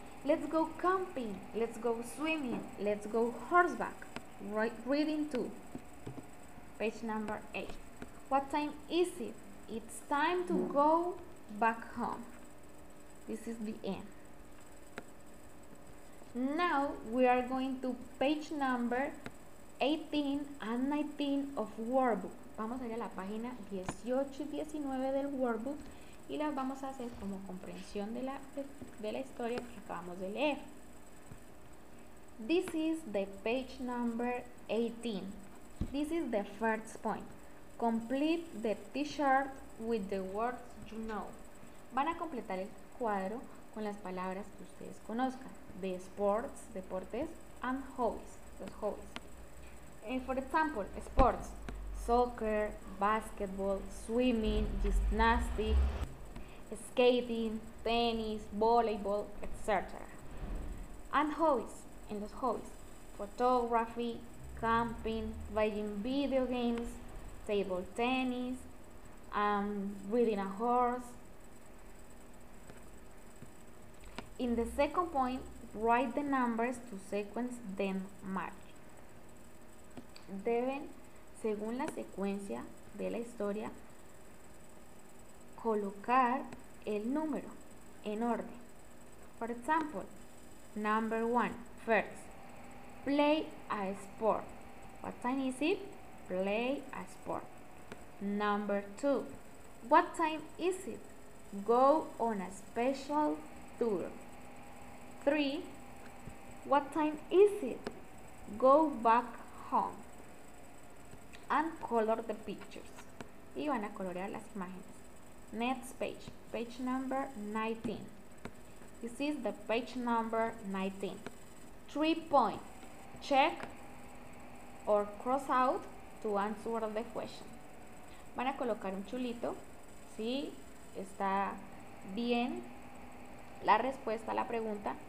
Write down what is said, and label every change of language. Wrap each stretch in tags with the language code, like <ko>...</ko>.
<en>Let's go camping. Let's go swimming. Let's go horseback. Reading too. Page number 8. What time is it? It's time to go back home. This is the end. Now we are going to page number 18 and 19 of workbook.</en> <es>Vamos a ir a la página 18 y 19 del workbook y las vamos a hacer como comprensión de la historia que acabamos de leer.</es> <en>This is the page number 18. This is the first point. Complete the t-shirt with the words you know.</en> <es>Van a completar el cuadro con las palabras que ustedes conozcan.</es> <en>The sports, deportes, and hobbies, los hobbies. For example, sports, soccer, basketball, swimming, gymnastics, skating, tennis, volleyball, etc. And hobbies,</en> <es>en los hobbies,</es> <en>photography, camping, playing video games, table tennis, riding a horse. In the second point, write the numbers to sequence then match.</en> <es>Deben, según la secuencia de la historia, colocar el número en orden.</es> <en>For example, number one, first, play a sport. What time is it? Play a sport. Number two, what time is it? Go on a special tour. 3. What time is it? Go back home. And color the pictures.</en> <es>Y van a colorear las imágenes.</es> <en>Next page. Page number 19. This is the page number 19. 3 point. Check or cross out to answer the question.</en> <es>Van a colocar un chulito. Sí, está bien la respuesta a la pregunta.</es>